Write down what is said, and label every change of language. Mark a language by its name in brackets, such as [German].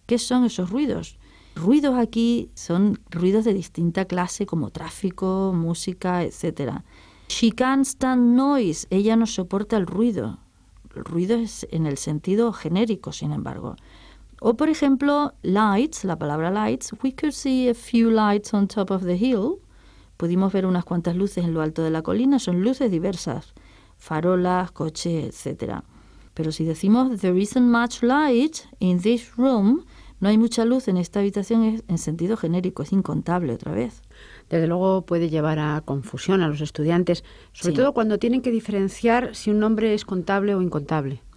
[Spanish] ¿Qué son esos ruidos? Ruidos aquí son ruidos de distinta clase, como tráfico, música, etc. [English] She can't stand noise. [Spanish] Ella no soporta el ruido. El ruido es en el sentido genérico, sin embargo. O, por ejemplo, lights, la palabra lights. [English] We could see a few lights on top of the hill. [Spanish] Pudimos ver unas cuantas luces en lo alto de la colina. Son luces diversas, farolas, coches, etc. Pero si decimos [English] there isn't much light in this room, [Spanish] no hay mucha luz en esta habitación, es en sentido genérico, es incontable otra vez. Desde luego puede llevar a confusión a los estudiantes, sobre todo cuando tienen que diferenciar si un nombre es contable o incontable.